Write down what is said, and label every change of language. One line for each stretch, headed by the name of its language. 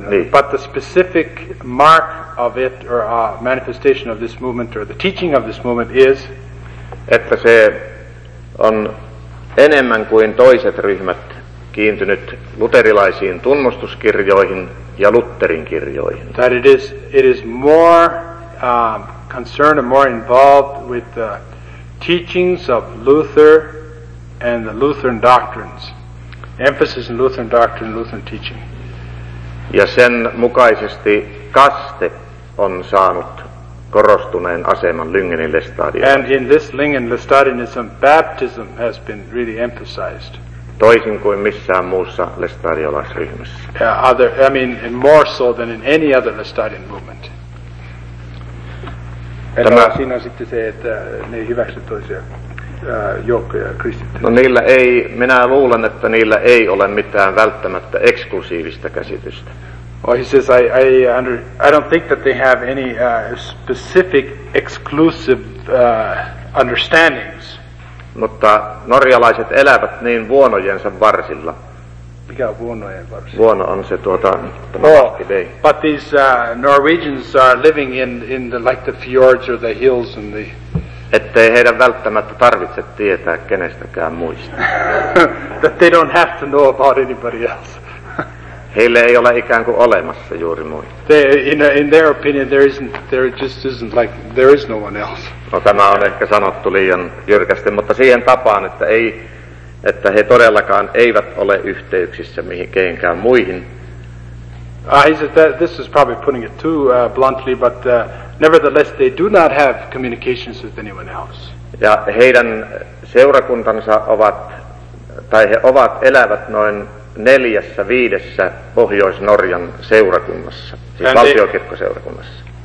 English: But the specific mark of it or a manifestation of this movement or the teaching of this movement is,
Finnish: että se on enemmän kuin toiset ryhmät kiintynyt luterilaisiin tunnustuskirjoihin ja Lutherin kirjoihin.
English: That it is more concerned and more involved with the teachings of Luther and the Lutheran doctrines. Emphasis in Lutheran doctrine, Lutheran teaching.
Finnish: Ja sen mukaisesti kaste on saanut korostuneen aseman Lyngenin Lestadiolaisuudessa.
English: And in this Lyngen Lestadianism, baptism has been really emphasized.
Finnish: Toisin kuin missään muussa lestadiolaisryhmässä.
English: In more so than in any other Lestadian movement.
Finnish: Tämä, siinä on sitten se, että ne ei hyväksy toisiaan. joukkoja kristittyjä? No niillä ei, minä luulen, että niillä ei ole mitään välttämättä eksklusiivista käsitystä.
English: Well, he says, I don't think that they have any specific exclusive understandings.
Finnish: Mutta norjalaiset elävät niin vuonojensa varsilla. Mikä on vuonojen varsilla? Vuono on se Day.
English: But these Norwegians are living in the, like the fjords or the hills and the...
Finnish: Ettei heidän välttämättä tarvitse tietää kenestäkään muista.
English: That they don't have to know about anybody else.
Finnish: Heille ei ole ikään kuin olemassa juuri muita.
English: In their opinion, there just isn't like there is no one else.
Finnish: No, tämä on ehkä sanottu liian jyrkästi, mutta siihen tapaan, että ei, että he todellakaan eivät ole yhteyksissä mihinkään muihin.
English: This is probably putting it too bluntly, but nevertheless, they do not have communications with anyone else.
Finnish: Ja heidän seurakuntansa ovat, tai he ovat elävät noin 4/5 Pohjois-Norjan seurakunnassa, siis valtiokirkkoseurakunnassa.